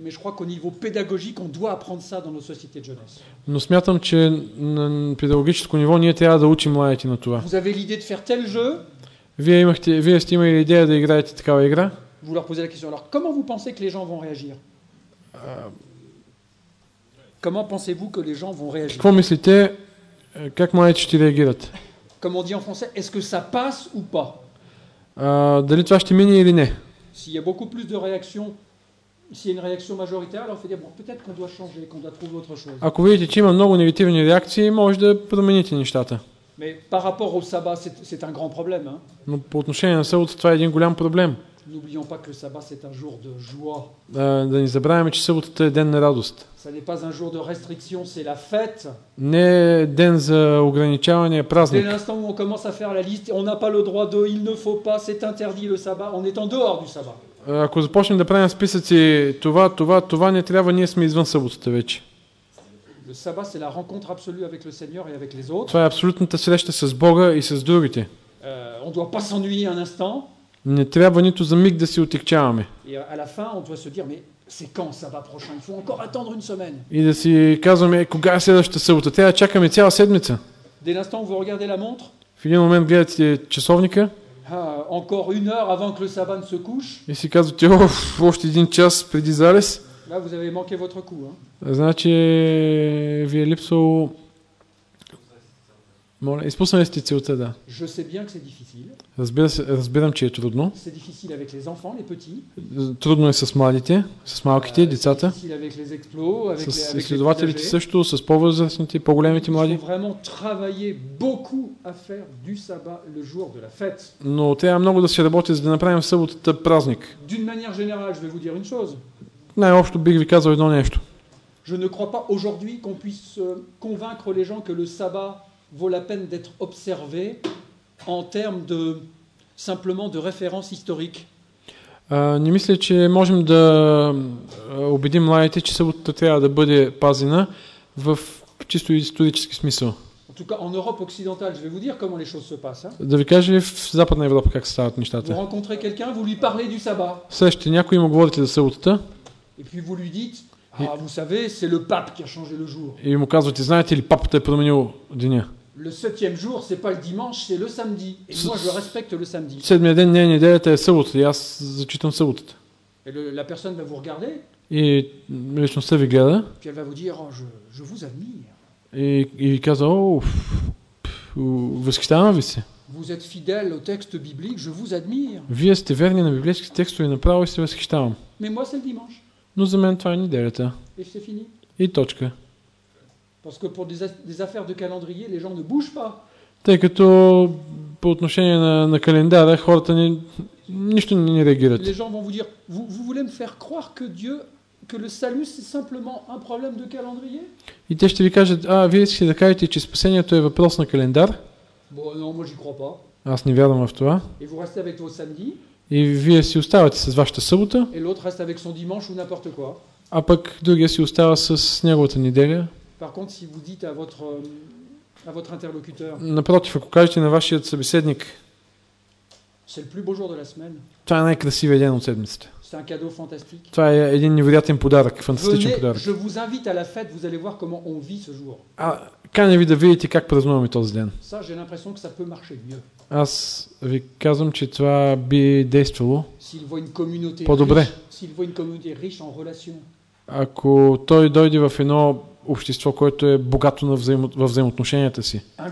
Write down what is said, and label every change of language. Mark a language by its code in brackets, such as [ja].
[fr] Mais je crois qu'au niveau pédagogique, on doit apprendre ça dans nos sociétés de jeunesse. [bg] Но смятам, че на педагогическо ниво ние трябва да учим младите на това. [fr] Vous avez l'idée de faire tel jeu? [bg] Вие сте имали идея да играете такава игра? [fr] Vous leur posez la question. Alors, comment vous pensez que les gens vont réagir? Comment pensez-vous que les gens vont réagir? [bg] Какво мислите, как младите ще реагират? [fr] Comme on dit en français, est-ce que ça passe ou pas? [bg] Дали това ще мине или не? [fr] S'il y a beaucoup plus de réactions s'il y a une réaction majoritaire, alors on fait dire, bon, peut-être qu'on doit changer, qu'on doit trouver autre chose. [bg] Ако видите, че има много негативни реакции, може да промените нещата. [fr] Mais par rapport au sabbat, c'est un grand problème, hein. [bg] Но по отношение на събота, това е един голям проблем. [fr] N'oublions pas que le sabbat c'est un jour de joie. [bg] Да не забравяме, че съботата е ден на радост. [fr] Ça n'est pas un jour de restriction, c'est la fête. [bg] Не ден за ограничаване, а празник. [fr] Dès l'instant où on commence à faire la liste, on n'a pas le droit de, il ne faut pas, c'est interdit le sabbat, on est en dehors du sabbat. [bg] Ако започнем да правим списъци, това не трябва, ние сме извън съботата вече. [fr] Le sabbat c'est la rencontre absolue avec le Seigneur et avec les autres. [bg] Това е абсолютната среща с Бога и с другите. [fr] On doit pas s'ennuyer un instant. [bg] Не трябва нито за миг да се отекчаваме. [fr] Et à la fin on doit se dire mais c'est quand ça va prochain, il faut encore attendre une semaine. [bg] И да си казваме кога е следващата събота, трябва да чакаме цяла седмица. [fr] Dès l'instant où vous regardez la montre. [bg] В един момент гледате часовника. [fr] Encore une heure avant que le sabbat ne se couche. [bg] И си казвате, още един час преди залез. [fr] Là vous avez manqué votre coup, hein. [bg] Значи ви е липсало. Моля, изпуснали сте целта, да. [fr] Je sais bien que c'est difficile. [bg] Разбирам, че е трудно. [fr] C'est difficile avec les enfants, les petits. [bg] Трудно е с младите, с малките, децата. [fr] C'est difficile avec les explos, avec [bg] с изследователите също, с по-възрастните, по-големите млади. [fr] Il faut vraiment travailler beaucoup à faire du sabbat le jour de la fête. [bg] Но трябва много да се работи, за да направим съботата празник. [fr] D'une manière générale, je vais vous dire une chose. [bg] Най-общо бих ви казал едно нещо. [fr] Je ne crois pas aujourd'hui qu'on puisse convaincre les gens que le sabbat vaut la peine d'être observé en termes de simplement de référence historique. [bg] Не мисля, че можем да убедим младите, че съботата трябва да бъде пазена в чисто исторически смисъл. [fr] En tout cas, en Europe occidentale, je vais vous dire comment les choses se passent. [bg] Да ви кажа в Западна Европа как стават нещата. [fr] Vous rencontrez quelqu'un, vous lui parlez du sabbat. [bg] Срещате някой, му говорите за съботата. [fr] Et puis vous lui dites. Ah, vous savez, c'est le pape qui a changé le jour. [bg] Et ему казват, знаете ли, папата е променил деня. [fr] Le septième jour, c'est pas le dimanche, c'est le samedi. Et moi, je respecte le samedi. [bg] Седмият ден, не, неделята е събота, и аз зачитам съботата. [fr] Et la personne va vous regarder. [bg] Et личността ви гледа. [fr] Puis elle va vous dire, oh, je vous admire. [bg] И казва, възхищавам ви се. [fr] Vous êtes fidèle au texte biblique, je vous admire. [bg] Вие сте верни на библейските текстове, направо и се възхищавам. [fr] Mais moi, c'est le dimanche. [bg] Но за мен това е неделята. [fr] Et c'est fini. [bg] И точка. [fr] Parce que pour des affaires de calendrier, les gens ne bougent pas. [bg] Тъй като по отношение на календара, хората нищо не реагират. [fr] Les gens vont vous dire, vous voulez me faire croire que Dieu, que le salut c'est simplement un problème de calendrier? [bg] И те ще ви кажат, вие си да кажете, че спасението е въпрос на календар? [fr] Bon, non, moi j'y crois pas. [bg] Аз не вярвам в това. [fr] Et vous restez avec vos samedi? [bg] И вие си оставате с вашата събота. [fr] Et l'autre reste avec son dimanche ou n'importe quoi. [bg] А пък другия си остава с неговата неделя. [fr] Par contre, si vous dites à votre interlocuteur. [bg] Напротив, ако кажете на вашия събеседник. [fr] C'est le plus beau jour de la semaine. [bg] Това е най-красивия ден от седмицата. [fr] C'est un cadeau fantastique. [bg] Това е един невероятен подарък, фантастичен [fr] Venez, [bg] подарък. [fr] Je vous invite à la fête, vous allez voir comment on vit ce jour. [bg] А каня ви да видите как празнуваме този ден. [fr] Ça, j'ai l'impression que ça peut marcher mieux. [bg] Аз ви казвам, че това би действало. [fr] S'il voit une communauté [bg] по-добре. [fr] S'il voit une communauté riche en relation. [bg] Ако той дойде в едно общество, което е богато във взаимоотношенията си.